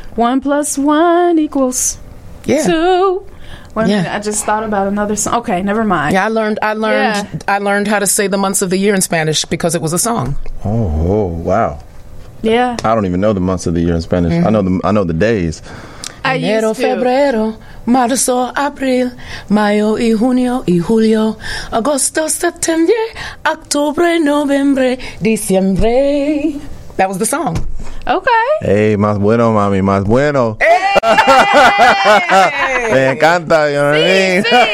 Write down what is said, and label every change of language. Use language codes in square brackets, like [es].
[en] One plus one equals two. Wait a minute. I just thought about another song. Okay, never mind. Yeah, I learned how to say the months of the year in Spanish because it was a song. Oh wow. Yeah. I don't even know the months of the year in Spanish. Mm-hmm. I know the days. [es] Enero, febrero, marzo, abril, mayo y junio y julio, agosto, septiembre, octubre, noviembre, diciembre. [en] That was the song. Okay. [es] Hey, más bueno, mami, más bueno. [en] Hey! [es] Me encanta, [en] you know what I mean?